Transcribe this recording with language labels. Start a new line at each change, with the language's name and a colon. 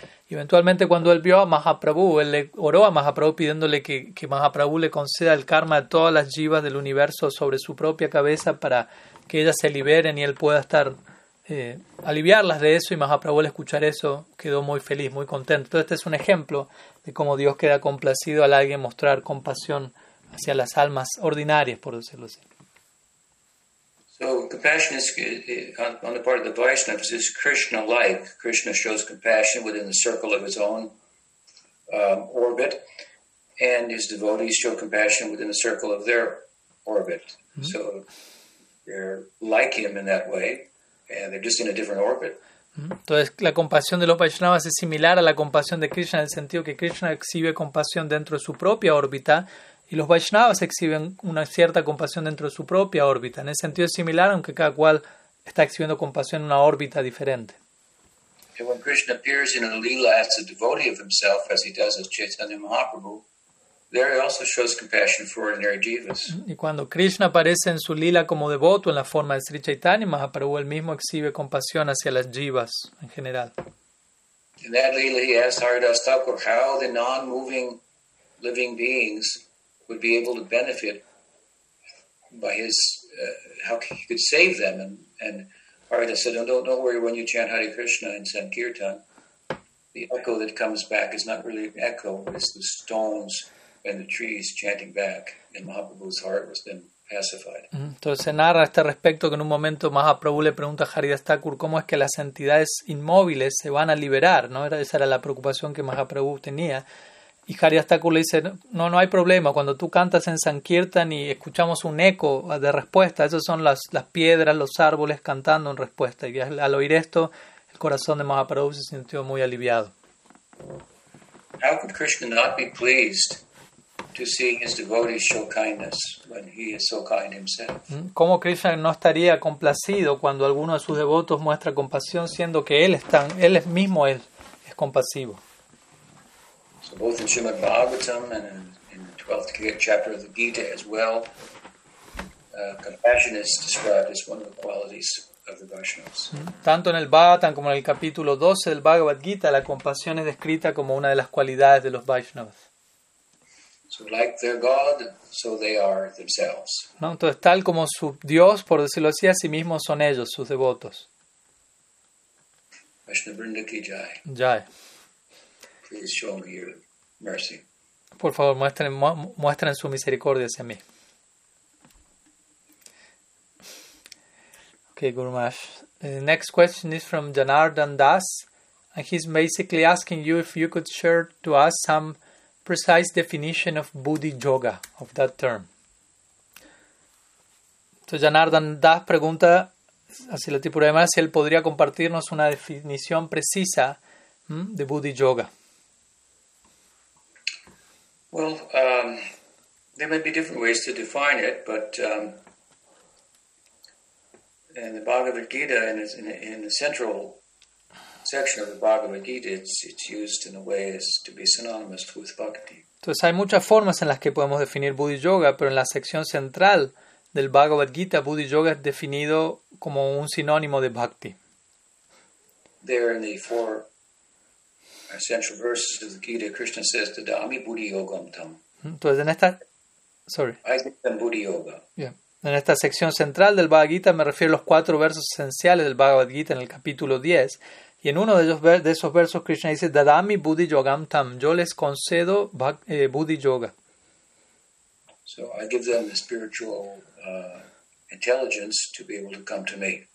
Spanish: Y eventualmente, cuando él vio a Mahaprabhu, él le oró a Mahaprabhu pidiéndole que Mahaprabhu le conceda el karma de todas las jivas del universo sobre su propia cabeza para que ellas se liberen y él pueda estar... aliviarlas de eso, y Mahaprabhu al escuchar eso quedó muy feliz, muy contento. Entonces, este es un ejemplo de cómo Dios queda complacido al alguien mostrar compasión hacia las almas ordinarias, por decirlo así.
English: So compassion is on the part of the Vaishnavas is Krishna-like. Krishna shows compassion within the circle of his own orbit, and his devotees show compassion within the circle of their orbit. Mm-hmm. So they're like him in that way. And they're just in a different orbit.
Spanish: Entonces, la compasión de los Vaishnavas es similar a la compasión de Krishna, en el sentido que Krishna exhibe compasión dentro de su propia órbita y los Vaishnavas exhiben una cierta compasión dentro de su propia órbita. En ese sentido es similar, aunque cada cual está exhibiendo compasión en una órbita diferente.
English: And when Krishna appears in a lila as a devotee of himself, as he does as Chaitanya Mahaprabhu, there he also shows compassion for ordinary jivas.
Spanish: Y cuando Krishna aparece en su lila como devoto en la forma de Sri Chaitanya Mahaprabhu, él mismo exhibe compasión hacia las jivas en general.
English: In that lila he asks Haridas Thakur how the non-moving living beings would be able to benefit by how he could save them. And Haridas said, don't worry, when you chant Hare Krishna in Sankirtan, the echo that comes back is not really an echo, it's the stones and the trees chanting back, and Mahaprabhu's heart was then pacified.
Spanish: Entonces se narra este respecto que en un momento Mahaprabhu le pregunta a Haridas Thakur cómo es que las entidades inmóviles se van a liberar, ¿no? Esa era la preocupación que Mahaprabhu tenía. Y Haridas Thakur le dice, no hay problema, cuando tú cantas en Sankirtan y escuchamos un eco de respuesta, esas son las piedras, los árboles cantando en respuesta. Y al oír esto, el corazón de Mahaprabhu se sintió muy aliviado.
English: How could Krishna not be pleased to see his devotees show kindness when he is so kind himself?
Spanish: ¿Cómo Krishna no estaría complacido cuando alguno de sus devotos muestra compasión, siendo que él es compasivo?
English: So both in Srimad Bhagavatam and in the 12th chapter of the Gita as well, compassion is described as one of the qualities of the Vaishnavas.
Spanish: Tanto en el Bhagavatam como en el capítulo 12 del Bhagavad Gita, la compasión es descrita como una de las cualidades de los Vaishnavas.
English: So like their God, so they are themselves.
Spanish: No, entonces tal como su Dios, por decirlo así, a sí mismos son ellos, sus devotos.
Hindi: Vaishnava Vrinda ki jai. Jai.
English: Please show me your mercy.
Spanish: Por favor, muestren su misericordia hacia mí.
English: Okay, Guru Maharaj. The next question is from Janardan Das, and he's basically asking you if you could share to us some precise definition of Buddhi Yoga, of that term.
Spanish: Entonces, Janardan Das pregunta, así la tipo de más, si él podría compartirnos una definición precisa de Buddhi Yoga.
English: Well, there may be different ways to define it, but in the Bhagavad Gita, in the central section of the Bhagavad Gita, it's used in a way as to be synonymous with bhakti.
Spanish: Entonces hay muchas formas en las que podemos definir Bodhi Yoga, pero en la sección central del Bhagavad Gita, Bodhi Yoga es definido como un sinónimo de bhakti.
English: There in the four essential verses of the Gita, Krishna says,
Sanskrit: "Tadami Bodhi Yogam Tam."
Spanish: Entonces en esta,
English: I think then Bodhi Yoga. Yeah.
Spanish: En esta sección central del Bhagavad Gita me refiero a los cuatro versos esenciales del Bhagavad Gita en el capítulo 10. Y en uno de esos versos Krishna dice,
Sanskrit: "Dadami Bodhi Yogam Tam."
Spanish: Yo les concedo Bodhi Yoga.
English: So I give them the spiritual intelligence to be able to come to me.